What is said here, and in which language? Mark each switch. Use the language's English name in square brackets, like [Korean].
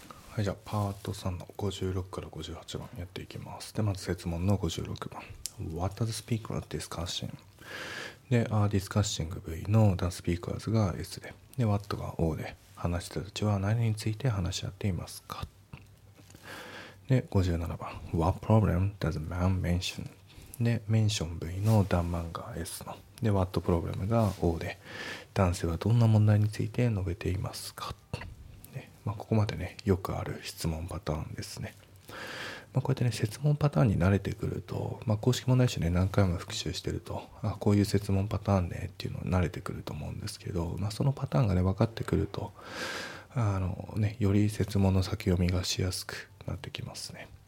[Japanese] はい、じゃあパート3の56から58番やっていきます。でまず設問の56番、 [English] What are the speakers discussing? [Japanese] で、discussing V の the speakers が S で、 で What が O で、話し手たちは何について話し合っていますか。で57番、 [English] What problem does man mention? [Japanese] で mention V の the man が S ので、 What problem が O で、男性はどんな問題について述べていますか。まあ、ここまでね、よくある質問パターンですね。まあ、こうやってね、設問パターンに慣れてくると、まあ、公式問題集ね、何回も復習してると、あ、こういう設問パターンねっていうのに慣れてくると思うんですけど、まあ、そのパターンがね、分かってくると、ね、より設問の先読みがしやすくなってきますね。